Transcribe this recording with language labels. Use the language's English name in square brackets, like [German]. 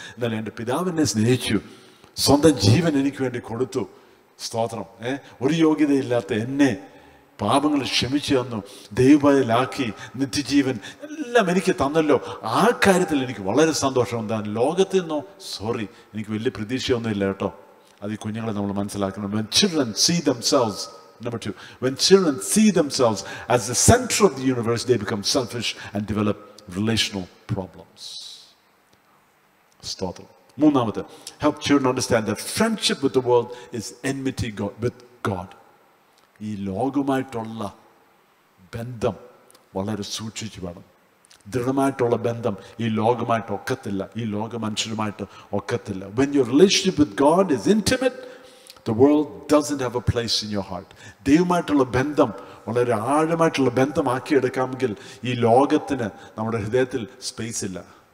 [Malayalam] എന്നാലും എൻ്റെ പിതാവ് എന്നെ സ്നേഹിച്ചു, സ്വന്തം ജീവൻ എനിക്ക് വേണ്ടി കൊടുത്തു, സ്തോത്രം. ഒരു യോഗ്യതയില്ലാത്ത എന്നെ പാപങ്ങൾ ക്ഷമിച്ചു തന്നു, ദൈവബലാക്കി, നിത്യജീവൻ എല്ലാം എനിക്ക് തന്നല്ലോ. ആ കാര്യത്തിൽ എനിക്ക് വളരെ സന്തോഷമുണ്ടാകും. ലോകത്തിൽ നിന്നോ സോറി, എനിക്ക് വലിയ പ്രതീക്ഷയൊന്നുമില്ല കേട്ടോ. അത് ഈ കുഞ്ഞുങ്ങളെ നമ്മൾ മനസ്സിലാക്കണം. [English] When children see themselves, number two, when children see themselves as the center of the universe, they become selfish and develop relational problems. [Malayalam] സ്തോത്രം. മൂന്നാമത്, [English] help children understand that friendship with the world is enmity with God. [Malayalam] ഈ ലോകവുമായിട്ടുള്ള ബന്ധം വളരെ സൂക്ഷിച്ചു വേണം. ദൃഢമായിട്ടുള്ള ബന്ധം ഈ ലോകമായിട്ട് ഒക്കത്തില്ല, ഈ ലോക മനുഷ്യരുമായിട്ട് ഒക്കത്തില്ല. [English] When your relationship with God is intimate, the world doesn't have a place in your heart. [Malayalam] ദൈവമായിട്ടുള്ള ബന്ധം വളരെ ആഴമായിട്ടുള്ള ബന്ധമാക്കി എടുക്കാമെങ്കിൽ ഈ ലോകത്തിന് നമ്മുടെ ഹൃദയത്തിൽ സ്പേസ് ഇല്ല.